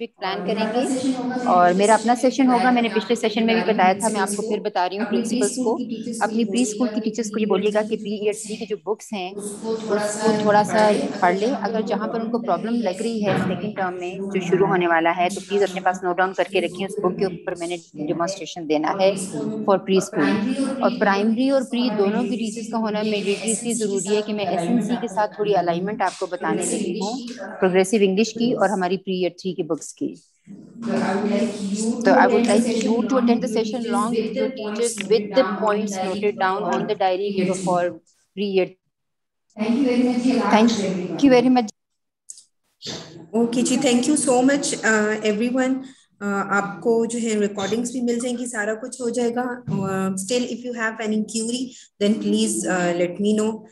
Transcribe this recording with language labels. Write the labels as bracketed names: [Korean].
[Hindi] और मेरा अपना सेशन होगा, मैंने पिछले सेशन में भी बताया था, मैं आपको फिर बता रही हूँ, प्रिंसिपल्स को अपनी प्री स्कूल की टीचर्स को ये बोलिएगा कि प्री ईयर थ्री की जो बुक्स हैं उसको थोड़ा सा पढ़ ले, अगर जहाँ पर उनको प्रॉब्लम लग रही है सेकेंड टर्म में जो शुरू होने वाला है तो प्लीज अपने पास नोट डाउन करके रखिए, उस बुक के ऊपर मैंने डेमोंस्ट्रेशन देना है फॉर प्री स्कूल। और प्राइमरी और प्री दोनों की टीचर्स का होना मेरी इसलिए जरूरी है कि मैं एसएनसी के साथ थोड़ी अलाइनमेंट आपको बताने लगी हूँ प्रोग्रेसिव इंग्लिश की और हमारी प्री ईयर थ्री की बुक्स की। [English] I would like you to attend the session along with your teachers with the points noted down on the diary here for pre-year. Thank you very much. Okay, जी, thank you so much, everyone. [Hindi] आपको जो है recordings भी मिल जाएंगी, सारा कुछ हो जाएगा. [English] Still, if you have any query, then please let me know.